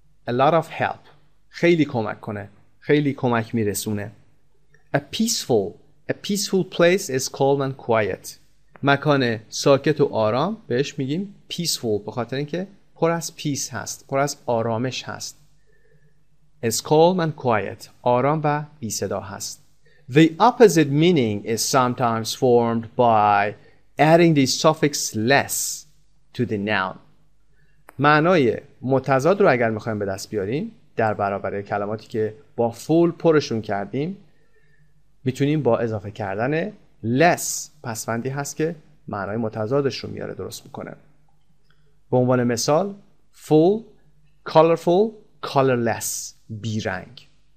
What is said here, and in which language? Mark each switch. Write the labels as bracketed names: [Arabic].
[English] a lot of help [Persian] خیلی کمک کنه، خیلی کمک میرسونه. [English] a peaceful. a peaceful place is calm and quiet. [Persian] مکان ساکت و آرام بهش میگیم peaceful، به خاطر اینکه پر از پیس هست، پر از آرامش هست. [English] is calm and quiet [Persian] آرام و بی صدا هست. [English] The opposite meaning is sometimes formed by adding the suffix less to the noun. [Persian] معنای متضاد رو اگر می‌خوایم به دست بیاریم در برابر کلماتی که با full پرشون کردیم، می‌تونیم با اضافه کردن less پسوندی هست که معنای متضادش رو میاره درست می‌کنه. به عنوان مثال full colorful colorless بی رنگ.